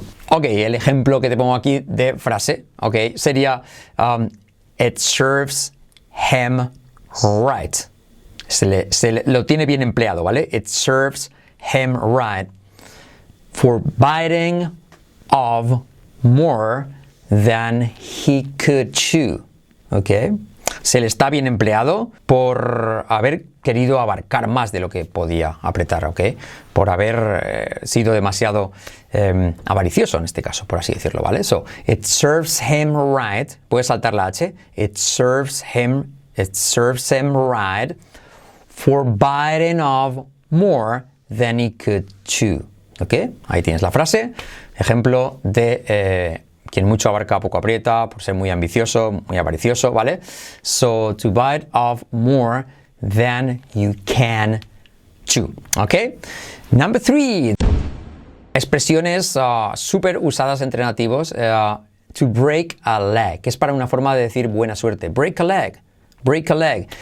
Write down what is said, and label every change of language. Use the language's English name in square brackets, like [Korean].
[Spanish] Ok, el ejemplo que te pongo aquí de frase, ok, sería [English] it serves him right. [Spanish] Lo tiene bien empleado, ¿vale? [English] It serves him right for biting off more than he could chew, ¿ok? [Spanish] Se le está bien empleado por haber querido abarcar más de lo que podía apretar, ¿ok? Por haber sido demasiado avaricioso en este caso, por así decirlo, ¿vale? [English] So, it serves him right, [Spanish] puedes saltar la H, [English] it serves him right for biting off more than he could chew, ¿ok? [Spanish] Ahí tienes la frase, ejemplo de quien mucho abarca, poco aprieta, por ser muy ambicioso, muy avaricioso, ¿vale? [English] So, to bite off more than you can chew, ¿ok? Number 3. [Spanish] Expresiones súper usadas entre nativos. [English] To break a leg, [Spanish] que es para una forma de decir buena suerte. [English] Break a leg. Break a leg.